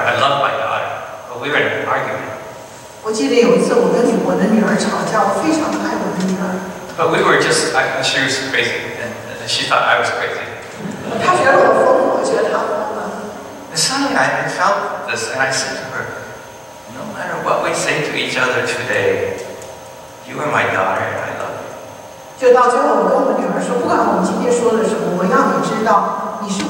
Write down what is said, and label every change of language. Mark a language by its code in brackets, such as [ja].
[en] I love my daughter, but we were in an argument. [zh] 我记得有一次我跟我的女儿吵架，我非常爱我的女儿。 [en] But we were just, she was crazy, and she thought I was crazy. [zh] 她觉得我疯了，我觉得她疯了。 [en] And suddenly I felt this, and I said to her, no matter what we say to each other today, you are my daughter and I love you. [zh] 就到最后，我跟我女儿说，不管我们今天说了什么，我要你知道，你